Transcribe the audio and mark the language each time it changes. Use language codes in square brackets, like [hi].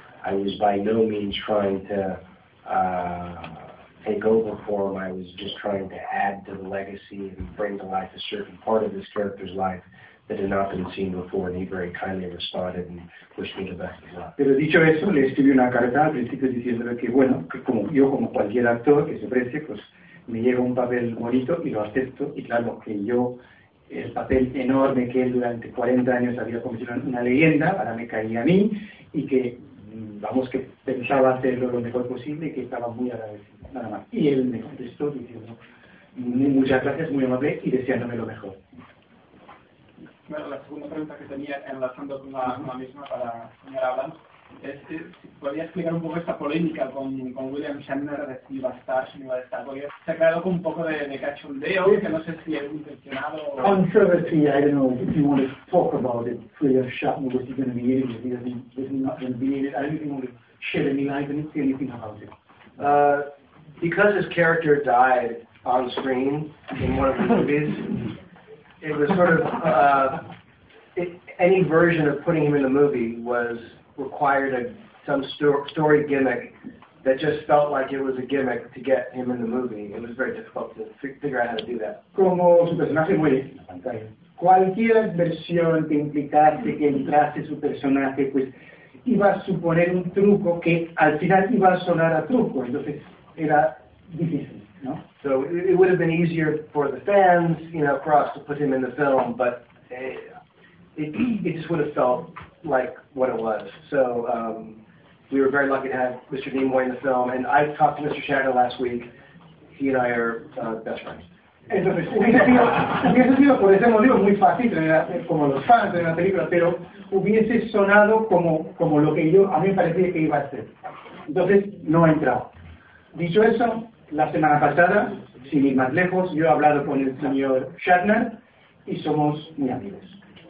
[en] I was by no means trying to take over for him. I was just trying to add to the legacy and bring to life a certain part of this character's life that had not been seen before, and he very kindly responded and wished me the best of luck. [es] Pero dicho eso, le escribí una carta al principio diciéndole que bueno, que como yo, como cualquier actor que se precie, pues me llega un papel bonito y lo acepto, y claro, que yo, el papel enorme que él durante 40 años había convertido en una leyenda, ahora me caía a mí, y que, vamos, que pensaba hacerlo lo mejor posible y que estaba muy agradecido, nada más. Y él me contestó diciendo, muchas gracias, muy amable, y deseándome lo mejor. Bueno, la segunda pregunta que tenía enlazando con la, uh-huh. la misma para señor Abrams es si podría explicar un poco esta polémica con William Shatner de si va a estar, si no va a estar, porque se ha creado con un poco de cachondeo, que no sé si es intencionado o... [en] Controversy, I don't know if you want to talk about it, William Shatner, was he going to be in it, if he doesn't, if he's not going to be in it, I don't even want to shed any light, I don't see anything about it. Because his character died on screen in one of the movies, it was sort of any version of putting him in the movie was required some story gimmick that just felt like it was a gimmick to get him in the movie. It was very difficult to figure out how to do that. [es] Como su personaje muere, cualquier versión que implicase que entrase su personaje pues iba a suponer un truco que al final iba a sonar a truco. Entonces era difícil. No? [en] So it would have been easier for the fans, you know, for us to put him in the film, but it just would have felt like what it was. So we were very lucky to have Mr. Nimoy in the film, and I talked to Mr. Shatner last week. He and I are best friends. [es] Entonces, hubiese sido por ese motivo muy fácil tener como los fans de la película, pero hubiese sonado como lo que yo a mí me parecía que iba a ser. Entonces no entraba. Dicho eso. La semana pasada, sin ir más lejos, yo he hablado con el señor Shatner y somos muy amigos.